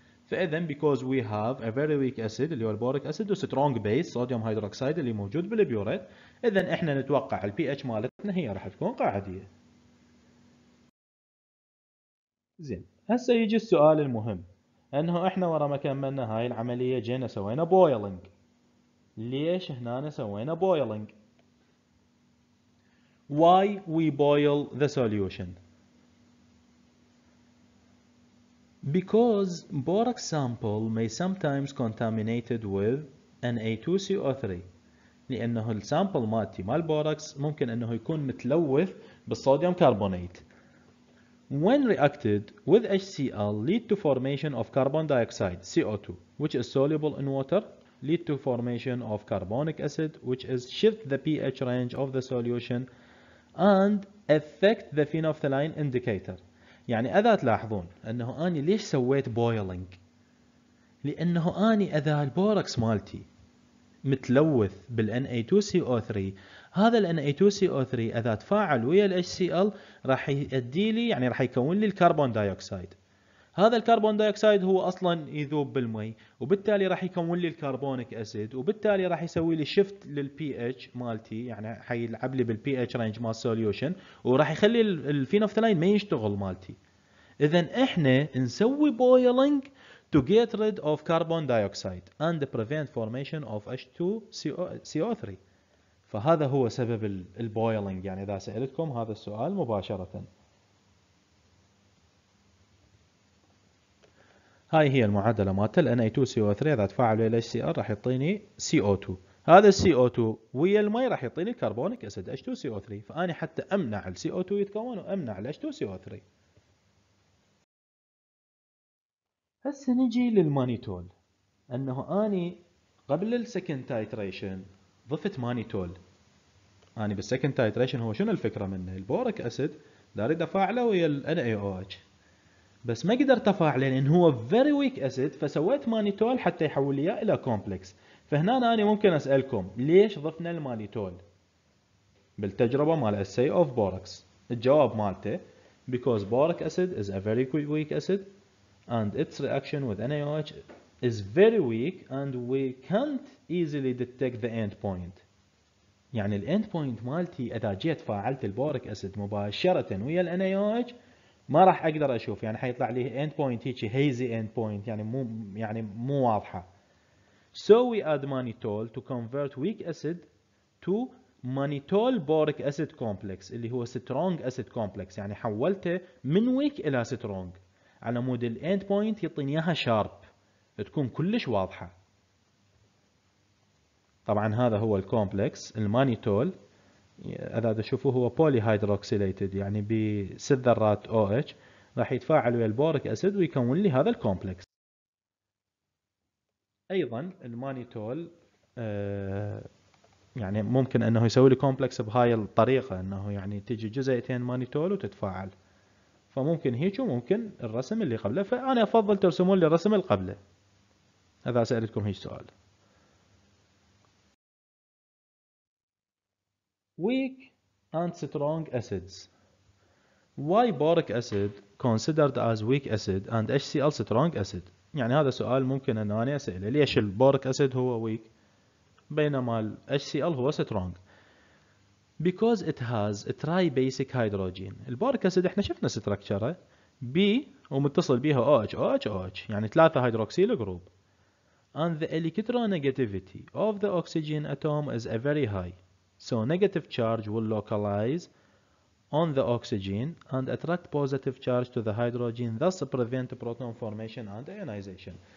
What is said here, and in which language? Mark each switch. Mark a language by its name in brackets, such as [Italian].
[Arabic] فاذا [English] because we have a very weak acid [Arabic] اللي هو البوريك اسيد وسترونج بيس صوديوم هيدروكسيد اللي موجود بالبيوريت، اذا احنا نتوقع البي اتش مالتنا هي راح تكون قاعديه. زين هسه يجي السؤال المهم، انه احنا ورا ما كملنا هاي العمليه جينا سوينا بويلنج، ليش هنا سوينا بويلنج؟ [English] why we boil the solution. Because borax sample may sometimes contaminated with Na2CO3. [Arabic] لأنه السامبل مالتي مال بوركس ممكن أنه يكون متلوث بالصوديوم كربونيت. [English] When reacted with HCl lead to formation of carbon dioxide CO2 which is soluble in water, lead to formation of carbonic acid which is shift the pH range of the solution and affect the phenolphthalein indicator. [Arabic] يعني أذا تلاحظون أنه أني ليش سويت بويلينج؟ لأنه أني أذا البوركس مالتي متلوث بال Na2CO3 هذا ال Na2CO3 اذا تفاعل ويا ال HCl راح يؤدي لي يعني راح يكون لي الكربون دايوكسيد. هذا الكربون دايوكسيد هو اصلا يذوب بالمي وبالتالي راح يكون لي الكربونيك اسيد وبالتالي راح يسوي لي شيفت لل pH مالتي يعني حيلعب لي بال pH رينج مال سوليوشن وراح يخلي الفينوفثلاين ما يشتغل مالتي. اذا احنا نسوي بويلنج [English] to get rid of carbon dioxide and prevent formation of H2CO3. [Arabic] فهذا هو سبب البويلنج يعني إذا سألتكم هذا السؤال مباشرة. هاي هي المعادلة مالت Na2CO3 إذا تفاعل ويا HCl راح يعطيني CO2. هذا CO2 ويا المي راح يعطيني كربونيك أسيد H2CO3 فأني حتى أمنع CO2 يتكون وأمنع H2CO3. بس نجي للمانيتول. انه اني قبل السكند تايتريشن ضفت مانيتول. اني بالسكند تايتريشن هو شنو الفكره منه؟ البوريك اسيد داريد افاعله ويا ال NaOH بس ما قدرت افاعله لان هو فيري ويك اسيد فسويت مانيتول حتى يحول اياه الى كومبلكس. فهنا اني ممكن اسالكم ليش ضفنا المانيتول بالتجربه مال Assay of Borax؟ الجواب مالته [English] because boric acid is a very weak acid and its reaction with NaOH is very weak and we can't easily detect the end point. [Arabic] يعني ال end point مالتي اذا جيت فاعلت البوريك اسيد مباشرة ويا ال NaOH ما راح اقدر اشوف يعني حيطلع لي end point هيجي hazy end point يعني مو واضحة. [English] So we add mannitol to convert weak acid to mannitol boric acid complex [Arabic] اللي هو [English] strong acid complex [Arabic] يعني حولته من [English] weak [Arabic] الى [English] strong. [Arabic] على مود الـ end point يعطيني اياها شارب تكون كلش واضحة. طبعا هذا هو الكومبلكس المانيتول اذا تشوفوه هو بولي هيدروكسيليتد يعني بست ذرات OH راح يتفاعل ويا البوريك اسيد ويكون لي هذا الكومبلكس. ايضا المانيتول يعني ممكن انه يسوي لي كومبلكس بهاي الطريقة انه يعني تجي جزئيتين مانيتول وتتفاعل. فممكن هيك وممكن الرسم اللي قبله فأنا أفضل ترسمون لي الرسم اللي قبله إذا سألتكم هيك سؤال. [English] Weak and strong acids. Why boric acid considered as weak acid and HCl strong acid؟ [Arabic] يعني هذا سؤال ممكن أن أنا أسأله ليش البوريك أسيد هو [English] weak [Arabic] بينما ال [English] HCl هو strong؟ Because it has a tri-basic hydrogen. [Arabic] البوريك اسيد احنا شفنا ستراكشره B ومتصل بيها OH OH OH يعني ثلاثة هيدروكسيل جروب. [English] And the electronegativity of the oxygen atom is a very high. So negative charge will localize on the oxygen and attract positive charge to the hydrogen thus prevent proton formation and ionization.